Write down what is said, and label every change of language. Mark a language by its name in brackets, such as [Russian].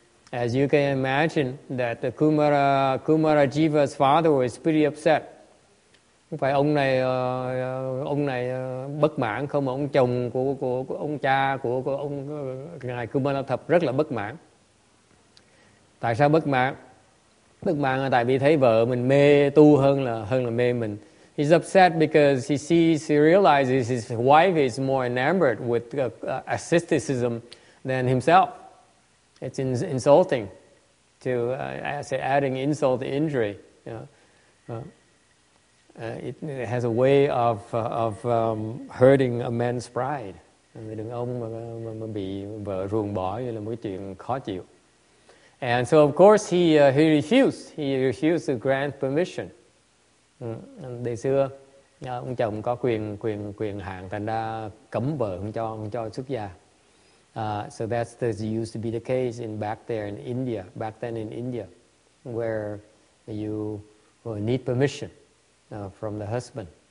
[English] As you can imagine, that the Kumarajiva's father was pretty upset. [Vietnamese] Phải ông này bất mãn không? Ông chồng của ông cha của ông ngài Kumarathap rất là bất mãn. Tại sao bất mãn? Bất mãn là tại vì thấy vợ mình mê tu hơn là mê mình. [English] He's upset because he realizes his wife is more enamored with asceticism than himself. It's insulting to say adding insult to injury. It has a way of hurting a man's pride. [Vietnamese] Người đàn ông mà bị vợ ruồng bỏ như là một chuyện khó chịu. [English] And so of course he refused. He refused to grant permission. [Vietnamese] Đời xưa ông chồng có quyền hạn thành ra cấm vợ không cho xuất gia. [English] So that's used to be the case back then in India, where you need permission from the husband.